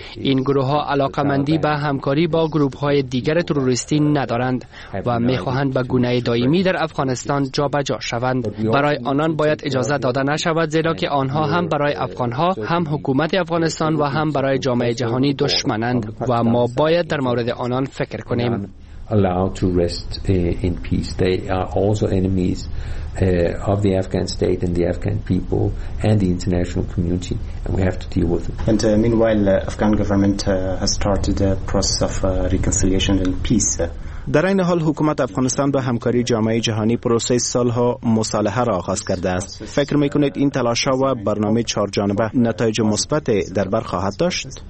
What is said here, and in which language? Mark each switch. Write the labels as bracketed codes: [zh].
[fa] این گروه ها علاقه مندی به همکاری با گروه های دیگر تروریستی ندارند و می خواهند به گونه دائمی در افغانستان جابجا شوند. برای آنان باید اجازه داده نشود، زیرا که آنها هم برای افغانها، هم حکومت افغانستان و هم برای جامعه جهانی دشمنند و ما باید در مورد آنان فکر کنیم. [en] Allow to rest in peace. They are also enemies of the Afghan state and the Afghan people and the international community, and we have to deal with it. And meanwhile, the Afghan government has started a process of reconciliation and peace. [fa] در این حال حکومت افغانستان با همکاری جامعه جهانی پروسه صلح و مصالحه را آغاز کرده است. فکر می کنید این تلاش ها و برنامه چهار جانبه نتایج مثبت در بر خواهد داشت؟